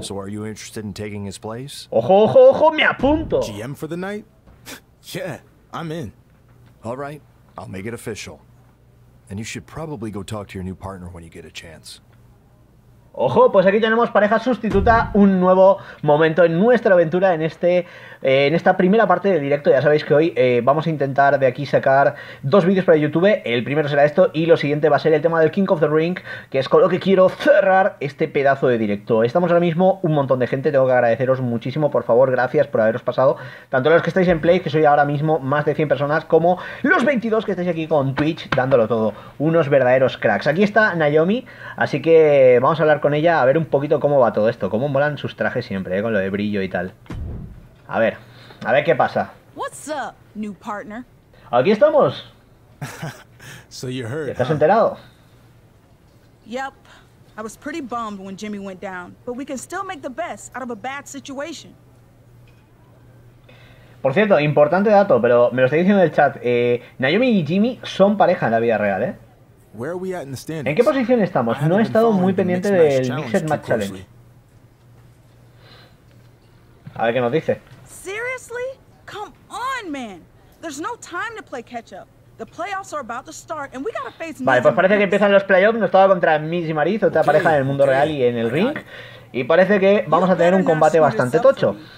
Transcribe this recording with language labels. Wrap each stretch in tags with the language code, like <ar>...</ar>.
<en>So are you interested in taking his place?</en> <es>Ojo, me apunto.</es> <en>GM for the night? Yeah, I'm in. All right, I'll make it official. And you should probably go talk to your new partner when you get a chance.</en> <es>Ojo, pues aquí tenemos pareja sustituta, un nuevo momento en nuestra aventura en este en esta primera parte del directo. Ya sabéis que hoy vamos a intentar de aquí sacar dos vídeos para YouTube. El primero será esto y lo siguiente va a ser el tema del King of the Ring, que es con lo que quiero cerrar este pedazo de directo. Estamos ahora mismo un montón de gente, tengo que agradeceros muchísimo, por favor, gracias por haberos pasado. Tanto los que estáis en Play, que soy ahora mismo más de 100 personas, como los 22 que estáis aquí con Twitch dándolo todo. Unos verdaderos cracks. Aquí está Naomi, así que vamos a hablar con ella, a ver un poquito cómo va todo esto, cómo molan sus trajes siempre, con lo de brillo y tal. A ver qué pasa.</es> <en>What's up, new partner?</en> <es>Aquí estamos.</es> <en>So you heard,</en> <es>¿te has enterado?</es> <en>Yep. I was pretty bummed when Jimmy went down, but we can still make the best out of a bad situation.</en> <es>Por cierto, importante dato, pero me lo estoy diciendo en el chat. Naomi y Jimmy son pareja en la vida real, ¿eh?</es> <en>Where are we at in the standings?</en> <es>¿En qué posición estamos? No he estado muy pendiente del Mixed Match Challenge. A ver qué nos dice.</es> <en>Seriously? Come on, man. There's no time to play catch up. The playoffs are about to start and we gotta face.</en> <es>Vale, pues parece que empiezan los playoffs. No estaba contra Miz y Mariz, otra pareja en el mundo real y en el ring. Y parece que vamos a tener un combate bastante tocho.</es>